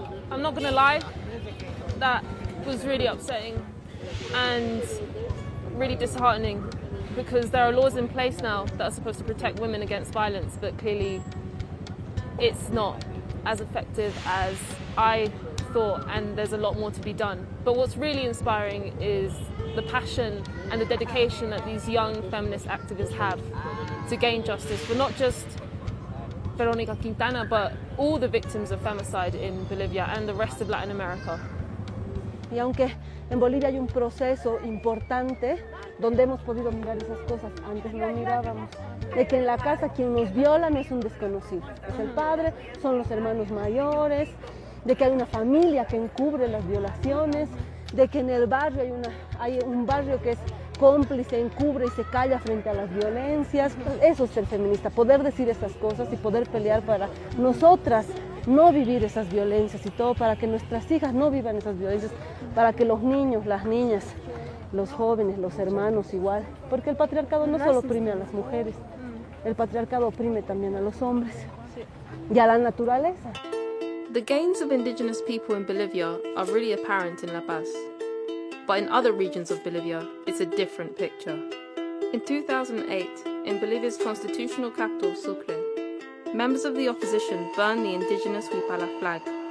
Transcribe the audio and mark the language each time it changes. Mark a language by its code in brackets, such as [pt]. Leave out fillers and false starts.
[en] I'm not gonna lie, that was really upsetting and really disheartening because there are laws in place now that are supposed to protect women against violence, but clearly it's not as effective as I thought, and there's a lot more to be done. But what's really inspiring is the passion and the dedication that these young feminist activists have to gain justice for not just Veronica Quintana, but all the victims of femicide in Bolivia and the rest of Latin America. [es] Y aunque en Bolivia hay un proceso importante donde hemos podido mirar esas cosas, antes no mirábamos, de que en la casa quien nos viola no es un desconocido, es el padre, son los hermanos mayores, de que hay una familia que encubre las violaciones, de que en el barrio hay un barrio que es cómplice, encubre y se calla frente a las violencias. Eso es ser feminista, poder decir esas cosas y poder pelear para nosotras no vivir esas violencias y todo, para que nuestras hijas no vivan esas violencias, para que los niños, las niñas, los jóvenes, los hermanos igual. Porque el patriarcado no solo oprime a las mujeres, el patriarcado oprime también a los hombres y a la naturaleza. [en] The gains of indigenous people in Bolivia are really apparent in La Paz. But in other regions of Bolivia, it's a different picture. In 2008, in Bolivia's constitutional capital, Sucre, members of the opposition burned the indigenous Huipala flag.